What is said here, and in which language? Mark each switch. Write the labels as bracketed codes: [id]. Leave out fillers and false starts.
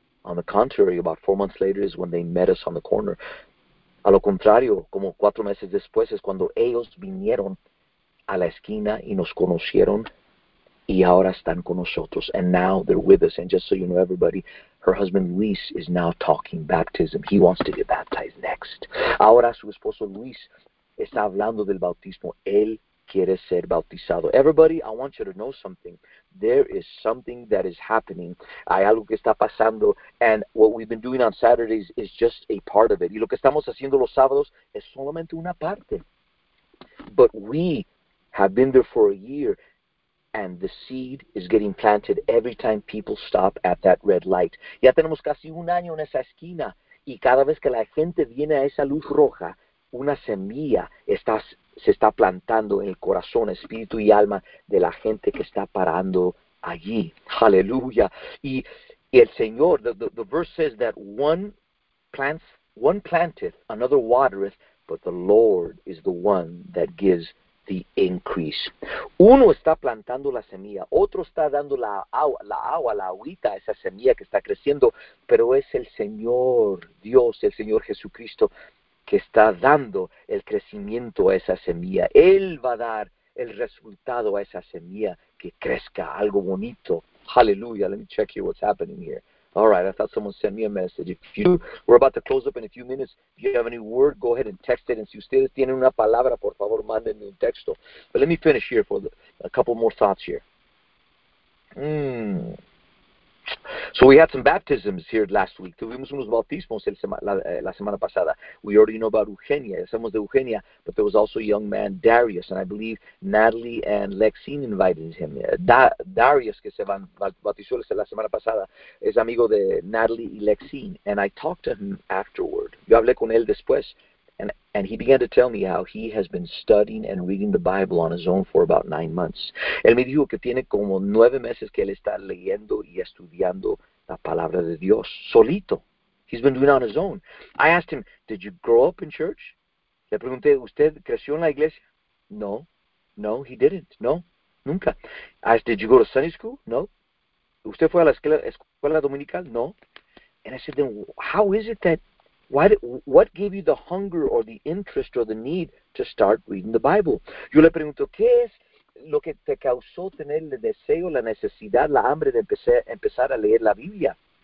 [en] On the contrary, about 4 months later is when they met us on the corner. [es] A lo contrario, como 4 meses después es cuando ellos vinieron a la esquina y nos conocieron. Y ahora están con nosotros. [en] And now they're with us. And just so you know, everybody, her husband Luis is now talking baptism. He wants to get baptized next. [es] Ahora su esposo Luis está hablando del bautismo. Él quiere ser bautizado. [en] Everybody, I want you to know something. There is something that is happening. [es] Hay algo que está pasando. [en] And what we've been doing on Saturdays is just a part of it. [es] Y lo que estamos haciendo los sábados es solamente una parte. [en] But we have been there for a year. And the seed is getting planted every time people stop at that red light. [es] Ya tenemos casi un año en esa esquina y cada vez que la gente viene a esa luz roja, una semilla se está plantando en el corazón, espíritu y alma de la gente que está parando allí. Aleluya. Y el Señor, [en] the verse says that one planteth, another watereth, but the Lord is the one that gives the increase. [es] Uno está plantando la semilla, otro está dando la agüita a esa semilla que está creciendo, pero es el Señor Dios, el Señor Jesucristo, que está dando el crecimiento a esa semilla. Él va a dar el resultado a esa semilla que crezca algo bonito. [en] Hallelujah. Let me check here what's happening here. All right, I thought someone sent me a message. We're about to close up in a few minutes. If you have any word, go ahead and text it. And [es] si ustedes tienen una palabra, por favor, mándenme un texto. [en] But let me finish here for a couple more thoughts here. So we had some baptisms here last week. [es] Tuvimos unos bautismos la semana pasada. [en] We already know about Eugenia. [es] Ya sabemos de Eugenia. [en] But there was also a young man, Darius. And I believe Natalie and Lexine invited him. [es] Darius, que se bautizó la semana pasada, es amigo de Natalie y Lexine. [en] And I talked to him afterward. [es] Yo hablé con él después. [en] And he began to tell me how he has been studying and reading the Bible on his own for about 9 months. [es] Él me dijo que tiene como 9 meses que él está leyendo y estudiando la palabra de Dios solito. [en] He's been doing it on his own. I asked him, "Did you grow up in church?" [es] Le pregunté, "¿Usted creció en la iglesia?" [en] No, no, he didn't. [es] No, nunca. [en] I asked, "Did you go to Sunday school?" No. [es] ¿Usted fue a la escuela dominical? No. [en] And I said, "Then how is it that? What gave you the hunger or the interest or the need to start reading the Bible?" [es] Yo le pregunto, ¿qué es lo que te causó tener el deseo, la necesidad, la hambre de empezar a leer la Biblia?